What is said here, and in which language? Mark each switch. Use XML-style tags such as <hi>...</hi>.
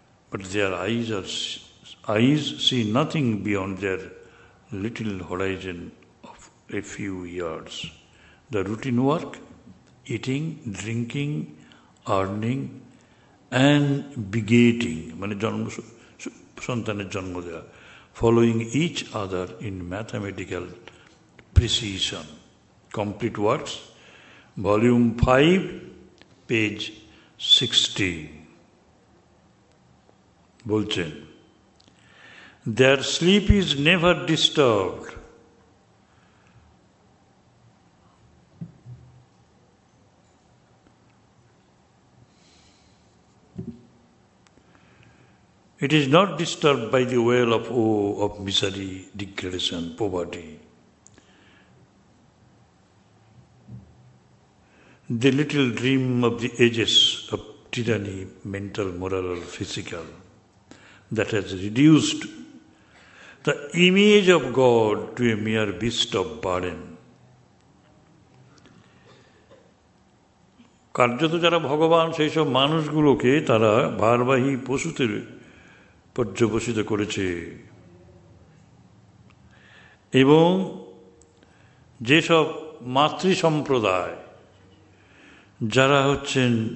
<en>but their eyes are eyes see nothing beyond their little horizon of a few years, the routine work, eating, drinking, earning, and begetting,</en> <bn>মানে জন্ম, সন্তানের জন্ম দেওয়া,</bn> <en>Following each other in mathematical precision, complete works, volume 5, page 60। বলছেন their sleep is never disturbed, it is not disturbed by the wail of woe, of misery, degradation, poverty. The little dream of the ages of tyranny, mental, moral, or physical, that has reduced the image of God to a mere beast of burden.</en> <bn>কার্যত যারা ভগবান সেই সব মানুষগুলোকে তারা ভারবাহী পশুদের পর্যবসিত করেছে, এবং যেসব মাতৃ সম্প্রদায় যারা হচ্ছেন</bn>